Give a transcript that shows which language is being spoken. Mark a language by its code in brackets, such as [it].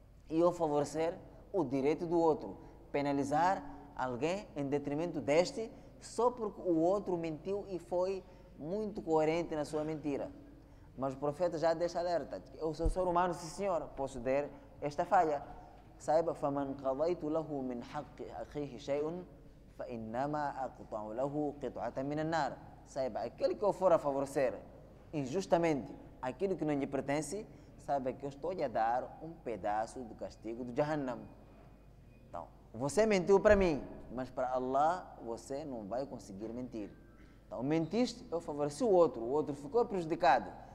[pt] E eu favorecer o direito do outro, penalizar alguém em detrimento deste, só porque o outro mentiu e foi muito coerente na sua mentira. Mas o profeta já deixa alerta. Eu sou ser humano, sim senhor, posso ter esta falha. Saiba, [ar] فَمَنْ قَضَيْتُ لَهُ مِنْ حَقِّ أَخِيهِ شَيْءٌ فَإِنَّمَا أَقْطَعُ لَهُ قِطْعَةً مِنَ النَّارِ. [pt] Saiba, aquele que eu for a favorecer injustamente aquilo que não lhe pertence, saiba que eu estou a dar um pedaço do castigo do Jahannam. Então, você mentiu para mim, mas para Allah você não vai conseguir mentir. Então, mentiste, eu favoreci o outro ficou prejudicado.